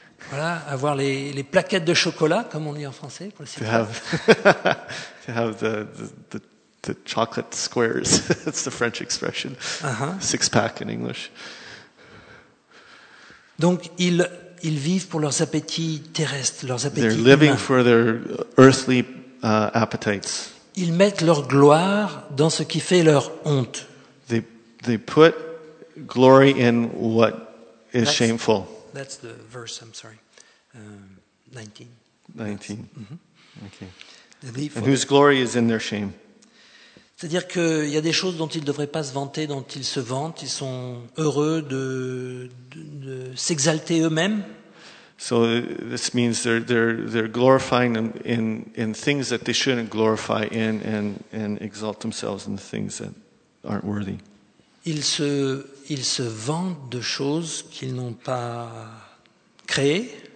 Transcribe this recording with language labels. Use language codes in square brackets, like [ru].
[fr] Voilà, avoir les plaquettes de chocolat, comme on dit en français. Pour le [en] to have, to have the chocolate squares, that's the French expression. Uh-huh. Six pack in English. [fr] Donc, ils vivent pour leurs appétits terrestres, leurs appétits [en] They're [fr] humains. [en] Living for their earthly appetites. [fr] Ils mettent leur gloire dans ce qui fait leur honte. [en] They put glory in what is that's, shameful. That's the verse, I'm sorry. 19. Mm-hmm. Okay. And whose glory is in their shame. [fr] C'est-à-dire qu'il y a des choses dont ils ne devraient pas se vanter, dont ils se vantent. Ils sont heureux de s'exalter eux-mêmes. [en] So this means they're glorifying them in things that they shouldn't glorify in, and exalt themselves in things that aren't worthy. [fr] Ils se vantent de choses qu'ils n'ont pas créées.